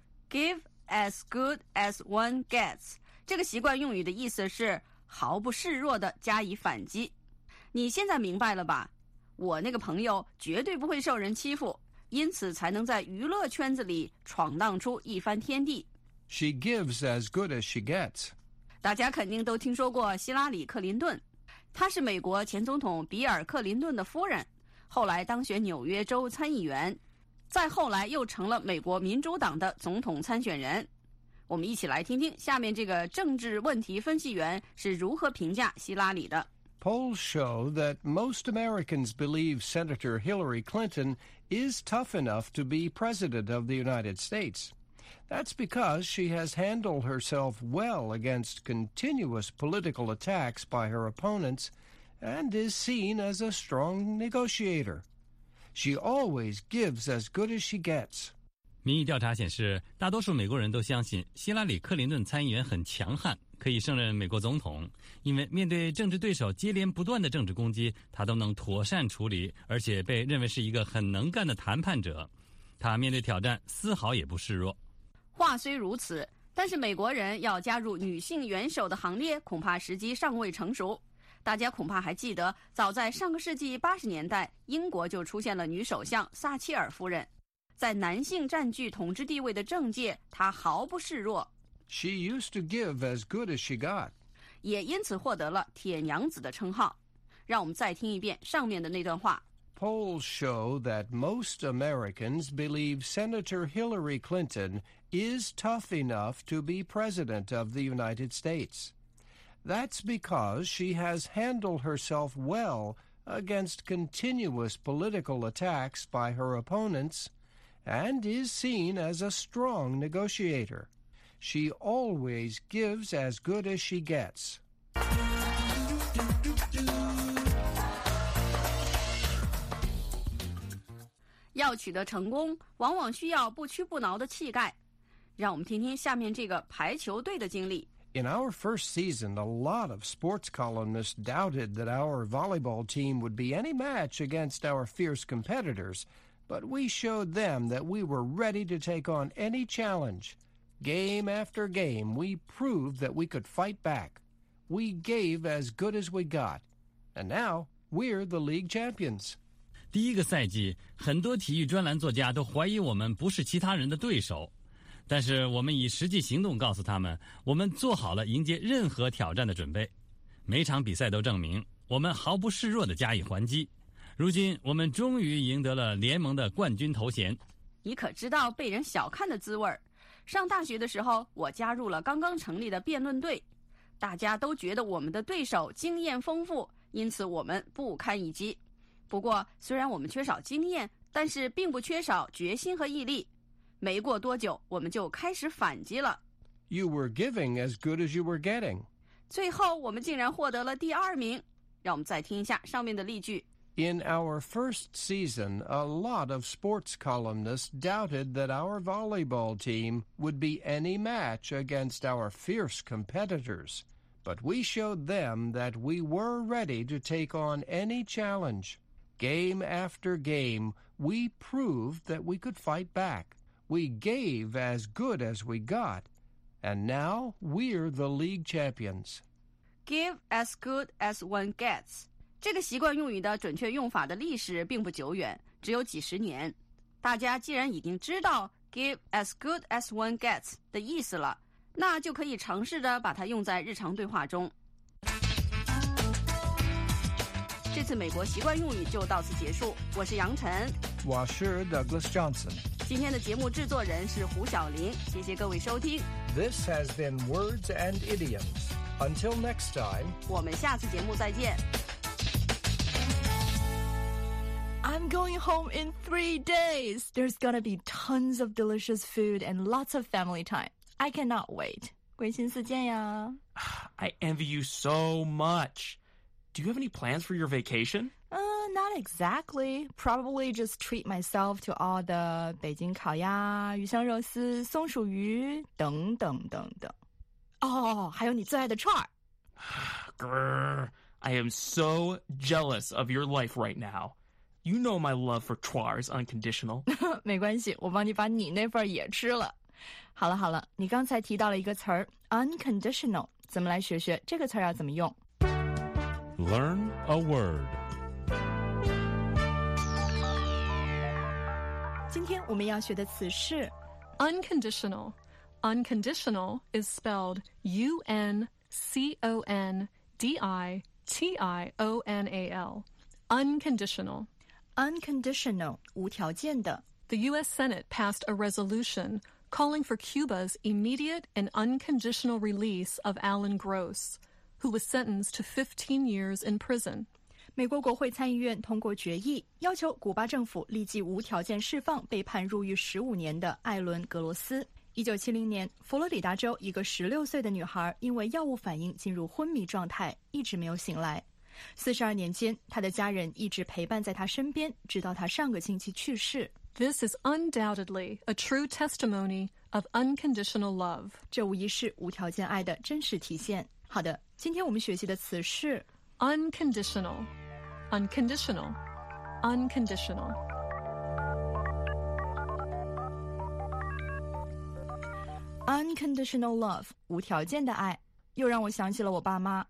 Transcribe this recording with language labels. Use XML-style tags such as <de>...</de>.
<en>Give as good as one gets.</en> <zh>这个习惯用语的意思是毫不示弱地加以反击。你现在明白了吧？我那个朋友绝对不会受人欺负，因此才能在娱乐圈子里闯荡出一番天地。</zh> <en>She gives as good as she gets.</en> <zh>大家肯定都听说过希拉里·克林顿，她是美国前总统比尔·克林顿的夫人，后来当选纽约州参议员。再后来又成了美国民主党的总统参选人。我们一起来听听下面这个政治问题分析员是如何评价希拉里的。</zh> <en>Polls show that most Americans believe Senator Hillary Clinton is tough enough to be president of the United States. That's because she has handled herself well against continuous political attacks by her opponents and is seen as a strong negotiator. She always gives as good as she gets.</en> <zh>民意调查显示，大多数美国人都相信希拉里·克林顿参议员很强悍，可以胜任美国总统，因为面对政治对手接连不断的政治攻击，他都能妥善处理，而且被认为是一个很能干的谈判者。他面对挑战丝毫也不示弱。话虽如此，但是美国人要加入女性元首的行列，恐怕时机尚未成熟。大家恐怕还记得，早在上个世纪80年代，英国就出现了女首相撒切尔夫人。在男性占据统治地位的政界，她毫不示弱。</zh> <en>She used to give as good as she got.</en> <zh>也因此获得了铁娘子的称号。让我们再听一遍上面的那段话。</zh> <en>Polls show that most Americans believe Senator Hillary Clinton is tough enough to be President of the United States. That's because she has handled herself well against continuous political attacks by her opponents and is seen as a strong negotiator. She always gives as good as she gets.</en> <zh>要取得成功，往往需要不屈不挠的气概。让我们听听下面这个排球队的经历。</zh> <en>In our first season, a lot of sports columnists doubted that our volleyball team would be any match against our fierce competitors, but we showed them that we were ready to take on any challenge. Game after game, we proved that we could fight back. We gave as good as we got. And now, we're the league champions.</en> <zh>第一个赛季，很多体育专栏作家都怀疑我们不是其他人的对手。但是我们以实际行动告诉他们，我们做好了迎接任何挑战的准备。每场比赛都证明，我们毫不示弱地加以还击。如今，我们终于赢得了联盟的冠军头衔。你可知道被人小看的滋味？上大学的时候，我加入了刚刚成立的辩论队，大家都觉得我们的对手经验丰富，因此我们不堪一击。不过，虽然我们缺少经验，但是并不缺少决心和毅力。没过多久，我们就开始反击了。</zh> <en>You were giving as good as you were getting.</en> <zh>最后，我们竟然获得了第二名。让我们再听一下上面的例句。</zh> <en>In our first season, a lot of sports columnists doubted that our volleyball team would be any match against our fierce competitors. But we showed them that we were ready to take on any challenge. Game after game, we proved that we could fight back. We gave as good as we got. And now we're the league champions. Give as good as one gets.</en> <zh>这个习惯用语的准确用法的历史并不久远，只有几十年。大家既然已经知道</zh> <en>give as good as one gets</en> <zh>的意思了，那就可以尝试着把它用在日常对话中。这次美国习惯用语就到此结束，我是杨晨，我是 Douglas Johnson。今天的节目制作人是胡晓林，谢谢各位收听。</zh> <en>This has been Words and Idioms. Until next time.</en> <zh>我们下次节目再见。</zh> <en>I'm going home in 3 days. There's gonna be tons of delicious food and lots of family time. I cannot wait.</en> <zh>归心似箭呀。</zh> <en>I envy you so much. Do you have any plans for your vacation? Not exactly. Probably just treat myself to all the</en> <zh>北京烤鸭、鱼香肉丝、松鼠鱼等等等等。 Oh, 还有你最爱的串儿。</zh> <en>Grr, I am so jealous of your life right now. You know my love for choir is unconditional.</en> <zh>没关系，我帮你把你那份也吃了。好了好了，你刚才提到了一个词儿 unconditional， 咱们来学学这个词儿要怎么用。</zh> <en>Learn a word.</en> <zh>今天我们要学的词是</zh> <en>unconditional. Unconditional is spelled UNCONDITIONAL. Unconditional.</en> <zh>Unconditional, 无条件的。</zh> <en>The U.S. Senate passed a resolution calling for Cuba's immediate and unconditional release of Alan Gross, who was sentenced to 15 years in prison.</en> <zh>美国国会参议院通过决议，要求古巴政府立即无条件释放被判入狱15年的艾伦·格罗斯。 1970年，佛罗里达州一个16岁的女孩因为药物反应进入昏迷状态，一直没有醒来。 42年间，他的家人一直陪伴在他身边，直到他上个星期去世。</zh> <en>This is undoubtedly a true testimony of unconditional love.</en> <zh>这无疑是无条件爱的真实体现。好的，今天我们学习的词是</zh> <en>unconditional, unconditional, unconditional. Unconditional love,</en> <zh>无条件的爱，又让我想起了我爸妈。</zh>